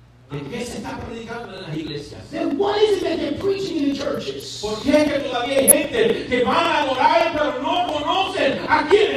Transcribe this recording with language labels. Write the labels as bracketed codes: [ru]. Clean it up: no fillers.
[es] ¿De qué se está predicando en las iglesias? [en] Then what is it that they're preaching in the churches? [es] ¿Por qué es que todavía hay gente que van a adorar pero no conocen a quién?